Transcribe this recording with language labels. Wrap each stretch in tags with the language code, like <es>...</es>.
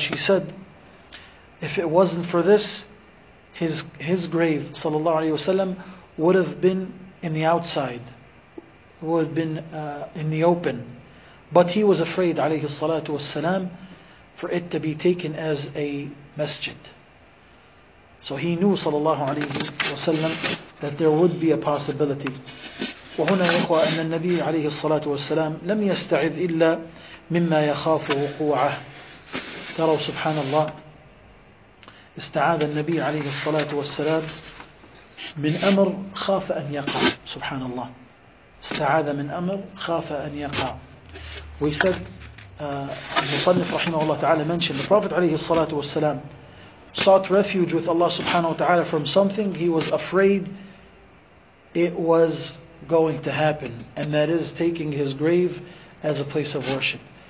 <en>She said, if it wasn't for this, his grave sallallahu alayhi wa sallam would have been in the outside, would have been in the open. But he was afraid alayhi salatu wa salam for it to be taken as a masjid. So he knew sallallahu alayhi wa sallam that there would be a possibility.</en> <ar>وهنا يا إخوة أن النبي عليه الصلاة والسلام لم يستعذ إلا مما يخاف وقوعه. ترى سبحان الله استعاذ النبي عليه الصلاة والسلام من أمر خاف أن يقع. سبحان الله استعاذ من أمر خاف أن يقع.</ar> <en>We said المصنف رحمه الله تعالى mentioned the Prophet عليه الصلاة والسلام sought refuge with Allah subhanahu wa ta'ala from something he was afraid it was going to happen, and that is taking his grave as a place of worship.</en>